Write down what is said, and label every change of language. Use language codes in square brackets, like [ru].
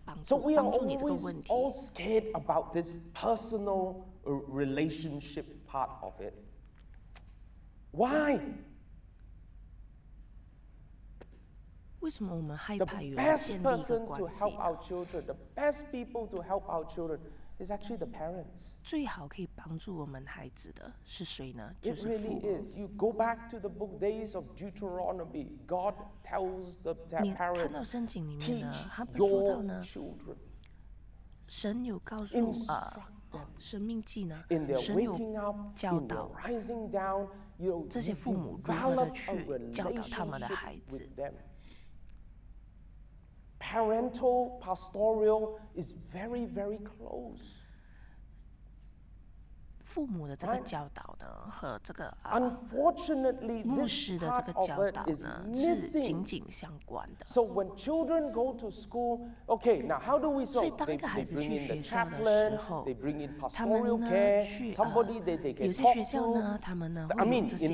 [en] So we are always all scared about this personal relationship part of it. Why? The best person to help our children, the best people to help our children, is actually the parents. [zh] 最好可以帮助我们孩子的是谁呢？就是父母。 [en] It really is. You go back to the book days of Deuteronomy. God tells their parents. [zh] 你看到圣经里面呢，他不说到呢。 [en] Teach your children. [zh] 神有告诉生命记呢， [en] in their waking up, in their rising down, you know, [zh] 这些父母如何的去教导他们的孩子。 [en] Parental pastoral is very, very close. [zh] 父母的这个教导呢，和这个啊， [en] unfortunately, this part of it is missing. [zh] 紧紧相关的。 [en] So when children go to school, okay, now how do we solve? [zh] 所以当一个孩子去学校的时候， [en] they bring in [zh] pastoral care, 他们呢去啊， [en] somebody that they can talk to. [zh] 有些学校呢，他们呢会有这些